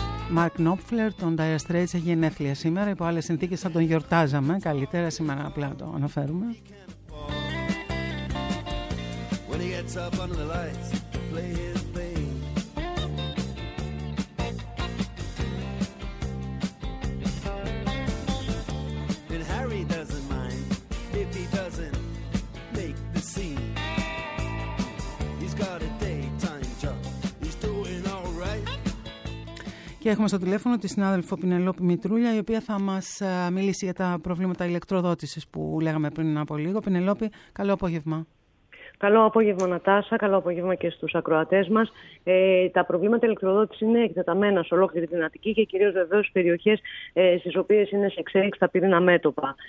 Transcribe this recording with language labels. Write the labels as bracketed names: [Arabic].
[Greek] Mark Knopfler, τον Dire Straits, έχει γενέθλια σήμερα. Υπό άλλες συνθήκες θα τον γιορτάζαμε καλύτερα, σήμερα απλά το αναφέρουμε. [English] When he gets up under the lights to play his thing. And Harry doesn't mind if he doesn't make the scene. He's got a daytime job. He's doing all right. [Greek] Και έχουμε στο τηλέφωνο τη συνάδελφο Πινελόπη Μητρούλια, η οποία θα μας μιλήσει για τα προβλήματα ηλεκτροδότησης που λέγαμε πριν από λίγο. Πινελόπη, καλό απόγευμα. Καλό απόγευμα, Νατάσα. Καλό απόγευμα και στους ακροατές μας. Τα προβλήματα ηλεκτροδότησης είναι εκτεταμένα σε ολόκληρη την Αττική και κυρίως βεβαίως στις περιοχές στις οποίες είναι σε εξέλιξη τα πυρήνα μέτωπα.